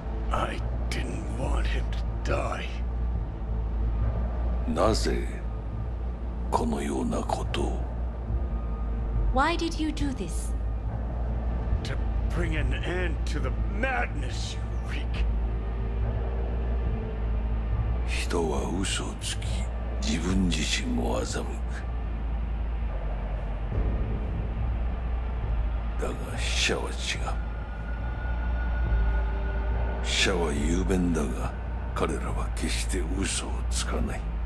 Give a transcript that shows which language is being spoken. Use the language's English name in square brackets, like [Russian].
[English] I didn't want him to die. [Japanese] なぜこのようなことを? [English] Why did you do this? To bring an end to the madness you... [Japanese] 人は嘘をつき、自分自身も欺く。だが死者は違う。死者は雄弁だが、彼らは決して嘘をつかない。